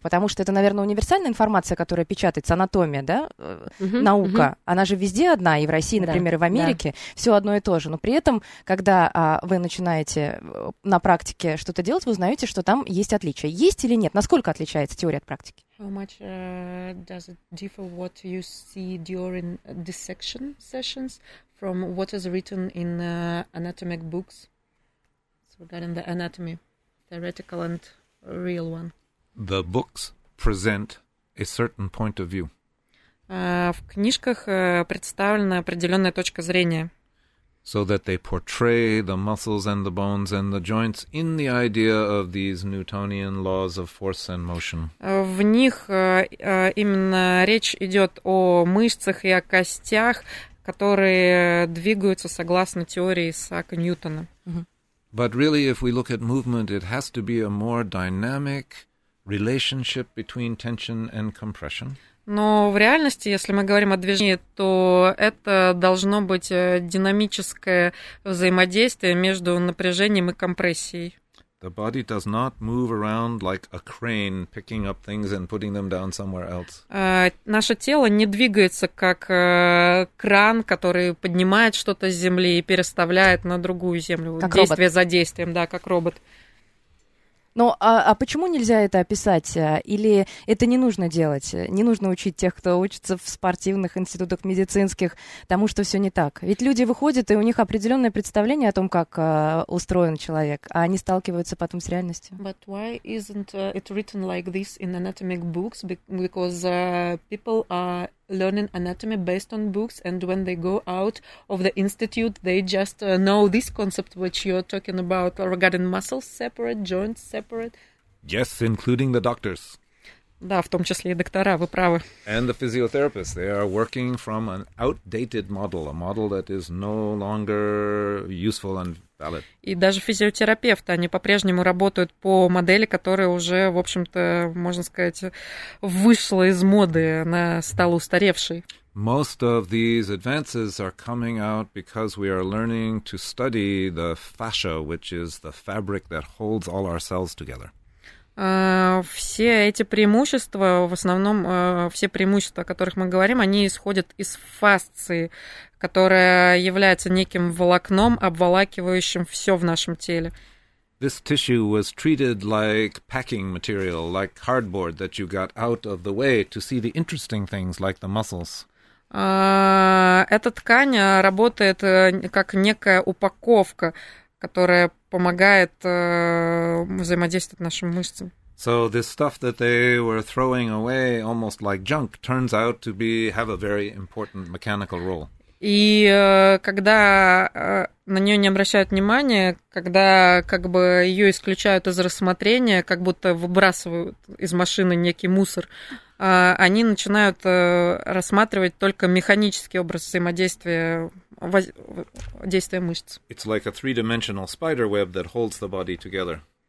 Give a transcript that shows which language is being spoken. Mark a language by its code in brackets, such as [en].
[ru] Потому что это, наверное, универсальная информация, которая печатается, анатомия, да, наука. Она же везде одна, и в России, например, и в Америке. Все одно и то же. Но при этом, когда вы начинаете на практике что-то делать, вы узнаете, что там есть отличия. Есть или нет? Насколько отличается теория от практики? [en] How much does it differ what you see during dissection sessions from what is written in anatomic books? So regarding the anatomy, theoretical and real one. The books present a certain point of view. [ru] В книжках представлена определенная точка зрения. [en] So that they portray the muscles and the bones and the joints in the idea of these Newtonian laws of force and motion. [ru] В них именно речь идет о мышцах и о костях, которые двигаются согласно теории Исаака Ньютона. [en] But really, if we look at movement, it has to be a more dynamic relationship between tension and compression. [ru] Но в реальности, если мы говорим о движении, то это должно быть динамическое взаимодействие между напряжением и компрессией. [en] The body does not move around like a crane, picking up things and putting them down somewhere else. [ru] Наше тело не двигается как кран, который поднимает что-то с земли и переставляет на другую землю. Как действие робот. За действием, да, как робот. Но а почему нельзя это описать? Или это не нужно делать? Не нужно учить тех, кто учится в спортивных институтах медицинских, тому, что все не так? Ведь люди выходят, и у них определенное представление о том, как устроен человек, а они сталкиваются потом с реальностью. [en] But why isn't it written like this in anatomic books? Because people are learning anatomy based on books, and when they go out of the institute, they just know this concept which you're talking about regarding muscles separate, joints separate. Yes, including the doctors. [ru] Да, в том числе и доктора, вы правы. [en] And the physiotherapists, they are working from an outdated model, a model that is no longer useful and valid. [ru] И даже физиотерапевты, они по-прежнему работают по модели, которая уже, в общем-то, можно сказать, вышла из моды, она стала устаревшей. [en] Most of these advances are coming out because we are learning to study the fascia, which is the fabric that holds all our cells together. [ru] Все эти преимущества, в основном все преимущества, о которых мы говорим, они исходят из фасции, которая является неким волокном, обволакивающим все в нашем теле. [en] This tissue was treated like packing material, like cardboard that you got out of the way to see the interesting things, like the muscles. [ru] Эта ткань работает как некая упаковка, которая помогает взаимодействовать нашим мышцам. [en] So this stuff that they were throwing away almost like junk turns out to be have a very important mechanical role. [ru] И когда на нее не обращают внимания, когда как бы ее исключают из рассмотрения, как будто выбрасывают из машины некий мусор, они начинают рассматривать только механический образ взаимодействия. [en] It's like a three-dimensional spider web that holds the body together.